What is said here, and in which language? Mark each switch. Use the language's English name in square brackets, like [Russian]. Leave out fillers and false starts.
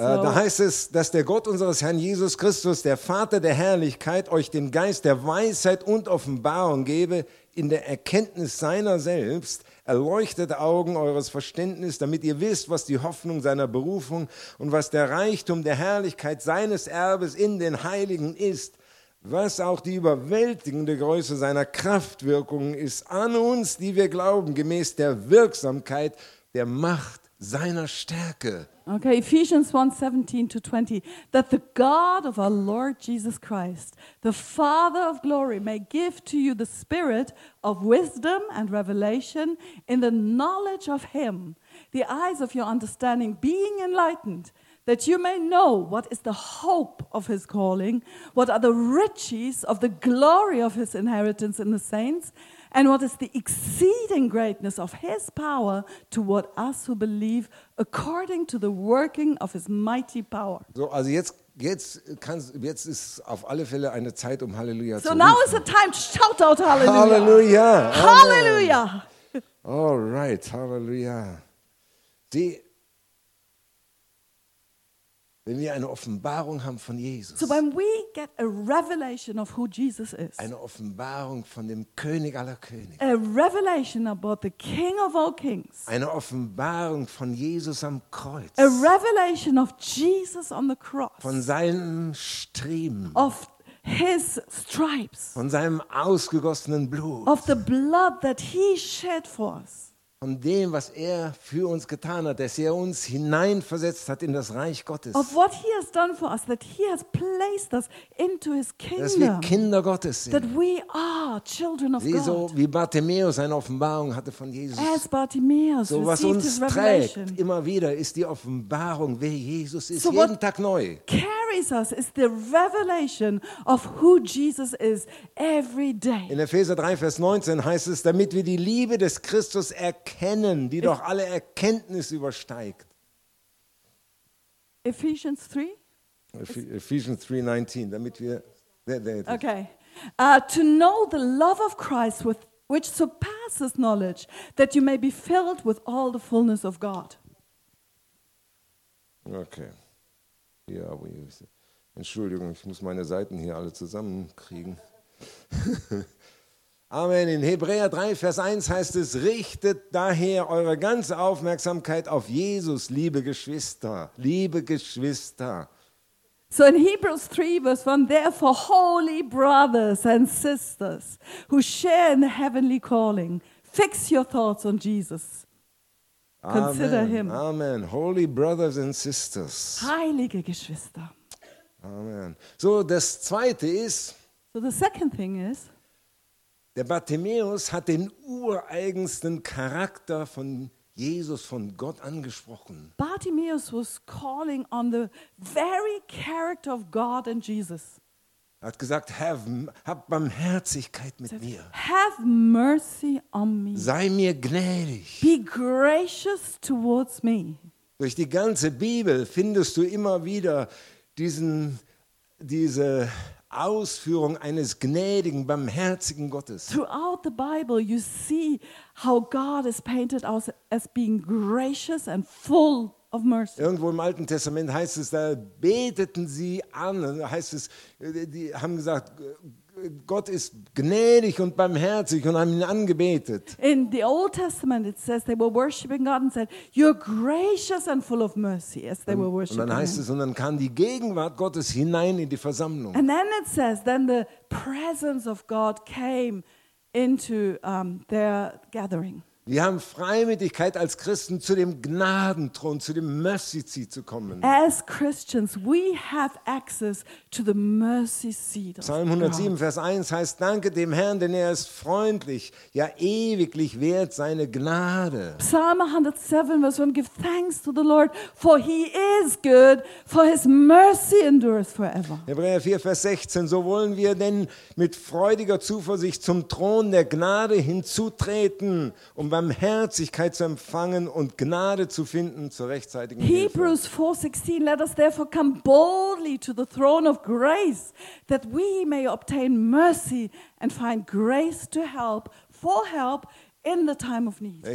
[German] Da heißt es, dass der Gott unseres Herrn Jesus Christus, der Vater der Herrlichkeit, euch den Geist der Weisheit und Offenbarung gebe, in der Erkenntnis seiner selbst, erleuchtete Augen eures Verständnisses, damit ihr wisst, was die Hoffnung seiner Berufung und was der Reichtum der Herrlichkeit seines Erbes in den Heiligen ist, was auch die überwältigende Größe seiner Kraftwirkung ist an uns, die wir glauben, gemäß der Wirksamkeit der Macht seiner Stärke. [English] Okay, Ephesians 1:17-20, that the God of our Lord Jesus Christ, the Father of glory, may give to you the spirit of wisdom and revelation in the knowledge of him, the eyes of your understanding being enlightened, that you may know what is the hope of his calling, what are the riches of the glory of his inheritance in the saints, and what is the exceeding greatness of his power toward us who believe according to the working of his mighty power. [German] So, also jetzt ist auf alle Fälle eine Zeit, um Halleluja so zu rufen. [English] So now is the time to shout out Halleluja. Halleluja. All right, Halleluja. Die [German] Wenn wir eine Offenbarung haben von Jesus. [English] So when we get a revelation of who Jesus is. [German] Eine Offenbarung von dem König aller Könige. [English] A revelation about the King of all Kings. [German] Eine Offenbarung von Jesus am Kreuz. [English] A revelation of Jesus on the cross. [German] Von seinen Striemen. [English] Of his stripes. [German] Von seinem ausgegossenen Blut. [English] Of the blood that he shed for us. [German] Von dem, was er für uns getan hat, dass er uns hineinversetzt hat in das Reich Gottes. [English] Of what he has done for us, that he has placed us into his kingdom. [German] Dass wir Kinder Gottes sind. [English] That we are children of God. [German] So wie Bartimäus eine Offenbarung hatte von Jesus. [English] As Bartimäus [German] so was uns trägt immer wieder ist die Offenbarung, wer Jesus ist, so jeden Tag neu. [English] Carries us is the revelation of who Jesus is every day. [German] In Epheser 3, Vers 19 heißt es, damit wir die Liebe des Christus erkennen, die doch alle Erkenntnis übersteigt. [English] Ephesians 3:19, [German] damit wir there. [English] Okay. To know the love of Christ with which surpasses knowledge, that you may be filled with all the fullness of God. Okay. [German] Ja, Entschuldigung, ich muss meine Seiten hier alle zusammenkriegen. Amen. In Hebräer 3, Vers 1 heißt es, richtet daher eure ganze Aufmerksamkeit auf Jesus, liebe Geschwister. Liebe Geschwister. [English] So in Hebrews 3, Vers 1, therefore, holy brothers and sisters who share in the heavenly calling, fix your thoughts on Jesus. Consider him. Amen. Holy brothers and sisters. [German] Heilige Geschwister. Amen. So, das Zweite ist, [English] so the second thing is, [German] der Bartimäus hat den ureigensten Charakter von Jesus, von Gott angesprochen. [English] Bartimäus was calling on the very character of God and Jesus. [German] Er hat gesagt, hab Barmherzigkeit mit mir. [English] Have mercy on me. [German] Sei mir gnädig. [English] Be gracious towards me. [German] Durch die ganze Bibel findest du immer wieder diese Ausführung eines gnädigen, barmherzigen Gottes. [English] Throughout the Bible you see how God is painted as being gracious and full of mercy. [German] Irgendwo im Alten Testament heißt es, da beteten sie an, heißt es, die haben gesagt, Gott ist gnädig und barmherzig und haben ihn angebetet. [English] In the Old Testament it says they were worshiping God and said, you're gracious and full of mercy as they were worshiping. [German] Und dann heißt es, und dann kam die Gegenwart Gottes hinein in die Versammlung. [English] And then it says, then the presence of God came into their gathering. [German] Wir haben Freimütigkeit als Christen zu dem Gnadenthron, zu dem Mercy Seat zu kommen. [English] As Christians, we have access to the mercy seat. [German] Psalm 107, Vers 1 heißt, danke dem Herrn, denn er ist freundlich, ja ewiglich wert seine Gnade. [English] Psalm 107, Vers 1, give thanks to the Lord, for he is good, for his mercy endures forever. [German] Hebräer 4, Vers 16, so wollen wir denn mit freudiger Zuversicht zum Thron der Gnade hinzutreten, um Barmherzigkeit zu empfangen und Gnade zu finden zur rechtzeitigen Hilfe. [English] Hebrews 4:16, let us therefore come boldly to the throne of grace, that we may obtain mercy and find grace to help, for help in the time of need.